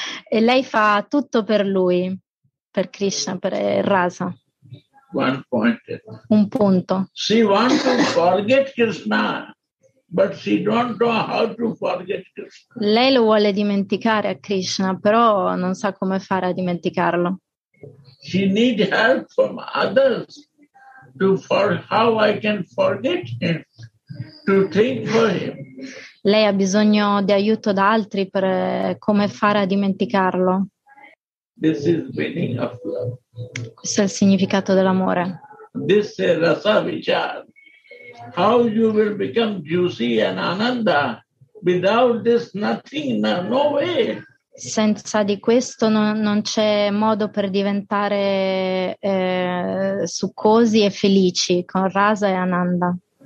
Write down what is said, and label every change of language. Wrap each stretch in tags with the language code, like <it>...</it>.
<it>E lei fa tutto per lui, per Krishna, per Rasa.</it> <en>One point.</en> <it>Un punto.</it> <en>She wants to forget Krishna, but she don't know how to forget Krishna.</en> <it>Lei lo vuole dimenticare a Krishna, però non sa come fare a dimenticarlo.</it> <en>She need help from others to for how I can forget him. To think for him.</en> <it>lei ha bisogno di aiuto da altri per come fare a dimenticarlo.</it> <en>This is meaning of love.</en> <it>Questo è il significato dell'amore.</it> <en>This is rasa vichar. How you will become juicy and ananda without this nothing, no way.</en> <it>Senza di questo non c'è modo per diventare succosi e felici con rasa e ananda.</it>